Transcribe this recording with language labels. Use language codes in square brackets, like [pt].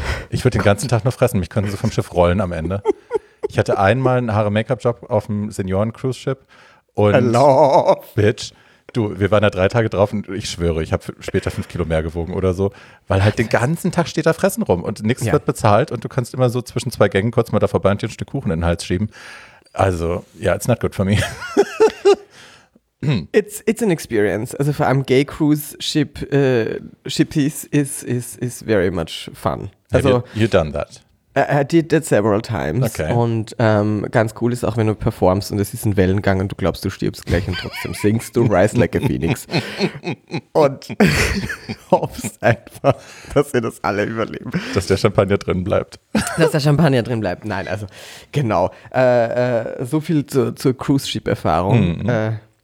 [de] Ich würde den ganzen Tag nur fressen. Mich könnten so vom Schiff rollen am Ende. Ich hatte einmal einen Haare-Make-up-Job auf dem Senioren-Cruise-Ship. Und [en] hello. [de] Bitch, du, wir waren da 3 Tage drauf und ich schwöre, ich habe später 5 Kilo mehr gewogen oder so, weil halt den ganzen Tag steht da Fressen rum und nichts wird bezahlt und du kannst immer so zwischen 2 Gängen kurz mal da vorbei und dir ein Stück Kuchen in den Hals schieben. Also, ja, [en] it's not good for me. It's an experience. [de] Also vor allem [en] Gay-Cruise-Shippies is very much fun. Also, you done that? I did that several times. Okay. [de] Und ganz cool ist auch, wenn du performst und es ist ein Wellengang und du glaubst, du stirbst gleich und trotzdem singst du Rise Like a Phoenix. Und hoffst einfach, dass wir das alle überleben. Dass der Champagner drin bleibt. Dass der Champagner drin bleibt. Nein, also genau. So viel zur Cruise Ship Erfahrung. Mhm.